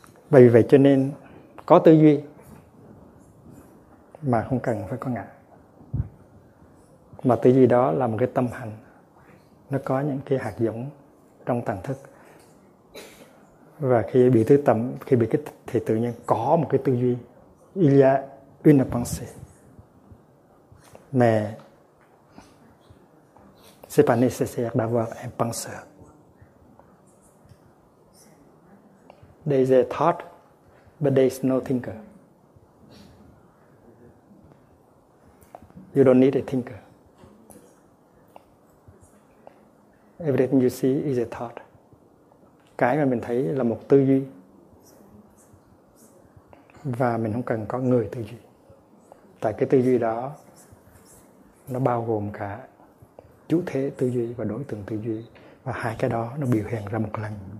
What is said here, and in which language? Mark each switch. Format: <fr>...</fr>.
<vi>Bởi vì vậy cho nên có tư duy mà không cần phải có ngã. Mà tư duy đó là một cái tâm hành, nó có những cái hạt giống trong tầng thức. Và khi bị tư tâm, khi bị kích thì tự nhiên có một cái tư duy.</vi> <fr>Il y a une pensée. Mais c'est pas nécessaire d'avoir un penseur.</fr> <en>There is a thought, but there is no thinker. You don't need a thinker. Everything you see is a thought.</en> <vi>Cái mà mình thấy là một tư duy. Và mình không cần có người tư duy. Tại cái tư duy đó, nó bao gồm cả chủ thể tư duy và đối tượng tư duy. Và hai cái đó nó biểu hiện ra một lần.</vi>